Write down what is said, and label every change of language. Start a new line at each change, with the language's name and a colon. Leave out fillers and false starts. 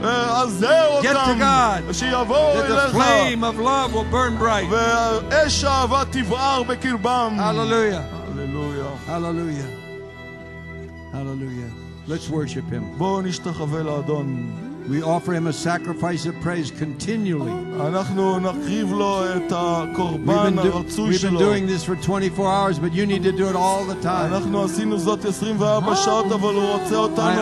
English: Get to God. That the flame of love will burn bright. Hallelujah. Hallelujah. Hallelujah. Hallelujah. Let's worship him.
Hebrew: בואו נשתחווה לאדון.
English: We offer him a sacrifice of praise continually.
Hebrew: אנחנו נקריב לו את הקורבן הרצוי שלו.
English: We've been doing this for 24 hours, but you need to do it all the time.
Hebrew: אנחנו עשינו זאת 24 שעות, אבל הוא רוצה אותנו כל הזמן.